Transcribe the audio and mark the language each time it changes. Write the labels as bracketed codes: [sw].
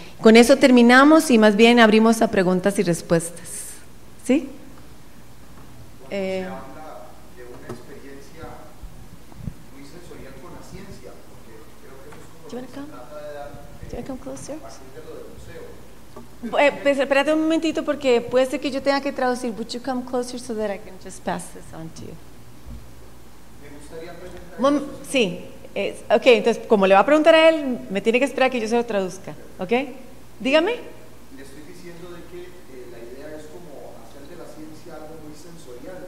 [es] Con eso terminamos y más bien abrimos a preguntas y respuestas. ¿Sí? Espérate un momentito porque puede ser que yo tenga que traducir. [en] Would you come closer so that I can just pass this on to you? [es] Sí. Ok, entonces como le va a preguntar a él, me tiene que esperar que yo se lo traduzca. Ok, dígame. Le estoy diciendo de que la idea es como hacer de la ciencia algo muy sensorial.